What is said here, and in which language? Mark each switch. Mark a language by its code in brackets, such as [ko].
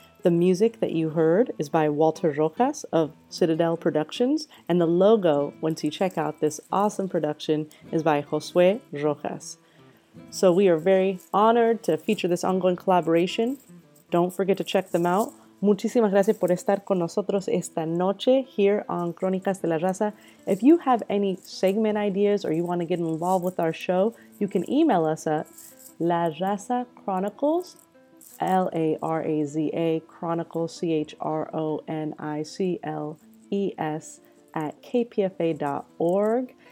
[en] The music that you heard is by Walter Rojas of Citadel Productions, and the logo, once you check out this awesome production, is by Josue Rojas. So we are very honored to feature this ongoing collaboration. Don't forget to check them out. [es] Muchísimas gracias por estar con nosotros esta noche here on Crónicas de la Raza. [en] If you have any segment ideas or you want to get involved with our show, you can email us at La Raza Chronicles, LARAZA Chronicles, CHRONICLES, at kpfa.org.